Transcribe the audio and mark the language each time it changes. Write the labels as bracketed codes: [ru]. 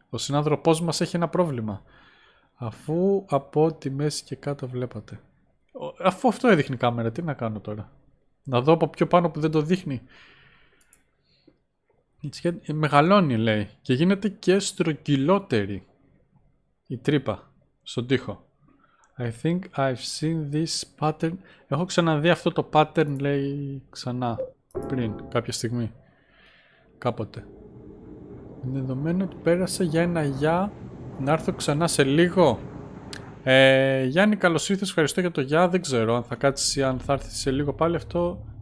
[el] Ο συνάνθρωπός μας έχει ένα πρόβλημα. Αφού από τη μέση και κάτω βλέπατε. Αφού αυτό έδειχνε η κάμερα, τι να κάνω τώρα. Να δω από πιο πάνω που δεν το δείχνει. Μεγαλώνει, λέει. Και γίνεται και στρογγυλότερη η τρύπα στον τοίχο. [en] I think I've seen this pattern. [el] Έχω ξαναδεί αυτό το pattern, λέει, ξανά πριν κάποια στιγμή. Κάποτε. Με δεδομένο ότι πέρασε για ένα γεια, να έρθω ξανά σε λίγο. Γιάννη, καλώς ήρθες, ευχαριστώ για το γεια. Δεν ξέρω αν θα κάτσεις ή αν θα έρθεις σε λίγο πάλι. Αυτό